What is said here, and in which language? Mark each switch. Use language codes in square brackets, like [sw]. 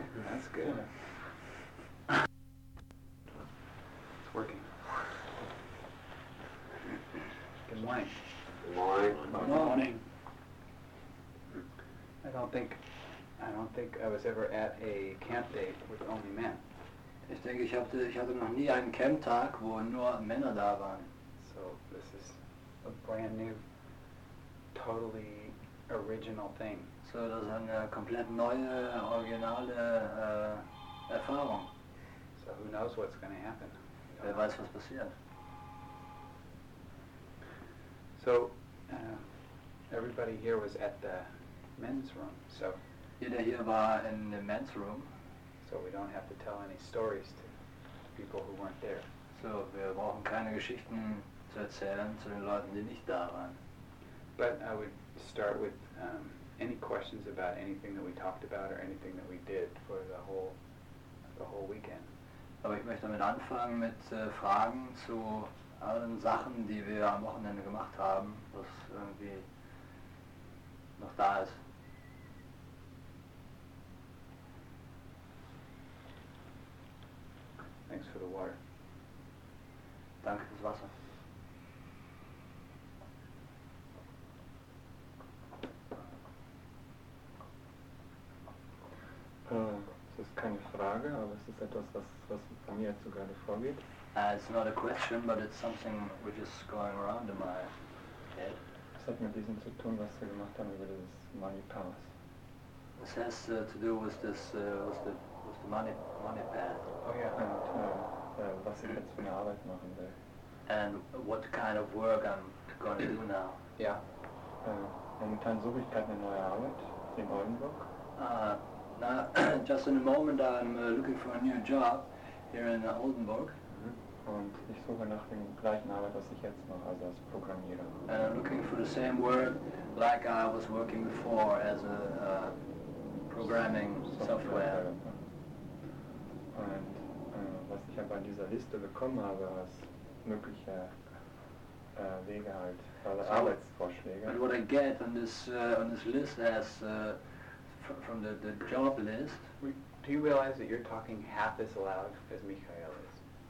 [en] That's good. It's working. Good morning. Good morning. I don't think I was ever at a camp date with only men. [de] Ich denke, ich hatte noch nie einen Camptag, wo nur Männer da waren. [en] So this is a brand new, totally original thing. [de] So das ist eine komplett neue, originale Erfahrung. [en] So who knows what's going to happen? [de] Wer weiß, was passiert? [en] So everybody here was at the men's room. So [de] jeder hier war in [en] the men's room. So we don't have to tell any stories to people who weren't there. [de] So wir brauchen keine Geschichten zu erzählen zu den Leuten, die nicht da waren. [en] But I would start with any questions about anything that we talked about or anything that we did for the whole weekend. [de] Aber ich möchte damit anfangen mit Fragen zu allen Sachen, die wir am Wochenende gemacht haben, was irgendwie noch da ist. [en] Thanks for the water. [de] Danke fürs Wasser. Es ist keine Frage, aber es ist etwas, was bei mir jetzt so gerade vorgeht. [en] It's not a question, but it's something which is going around in my head. [de] Es hat mit diesem zu tun, was wir gemacht haben über dieses Money Pass. [en] This has to do with this with the money path. Oh yeah. [de] And was ich jetzt für eine Arbeit machen will. [en] And what kind of work I'm going to do now? Yeah. [de] Momentan suche ich gerade eine neue Arbeit in Oldenburg. [en] Now, just in a moment, I'm looking for a new job here in Oldenburg. Mm-hmm. [de] Und ich suche nach dem gleichen Arbeit, was ich jetzt mache, also als Programmierer. [en] And I'm looking for the same work like I was working before as a programming software. [de] Und was ich aber an dieser Liste bekommen habe, als mögliche Wege halt, alle so Arbeitsvorschläge. [en] But what I get on this list as from the job list. Do you realize that you're talking half as loud as Michael is?